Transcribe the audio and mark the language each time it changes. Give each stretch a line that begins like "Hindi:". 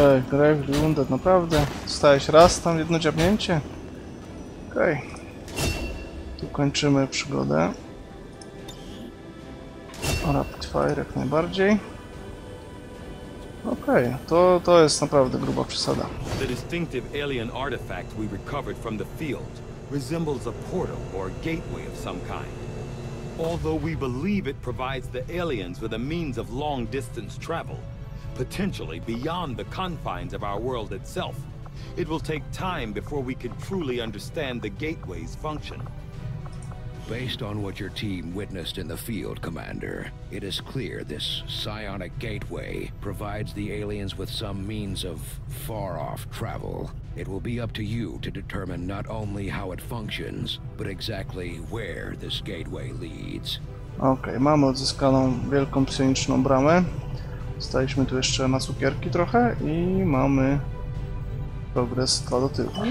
Polish: Gravely Wounded, naprawdę? Dostałeś raz tam jedno dziabnięcie? Okej. Tu kończymy przygodę. Rapid Fire jak najbardziej. Okej, to jest naprawdę gruba przesada.
English: The distinctive alien artifact we recovered from the field resembles a portal or gateway of some kind. Although we believe it provides the aliens with a means of long distance travel, potentially beyond the confines of our world itself. It will take time before we can truly understand the gateway's function. Based on what your team witnessed in the field, Commander, it is clear this psionic gateway provides the aliens with some means of far-off travel. It will be up to you to determine not only how it functions, but exactly where this gateway leads.
Polish: Okay, mamy odzyskaną wielką psioniczną bramę. Staliśmy tu jeszcze na cukierki trochę i mamy progres 2 do tyłu.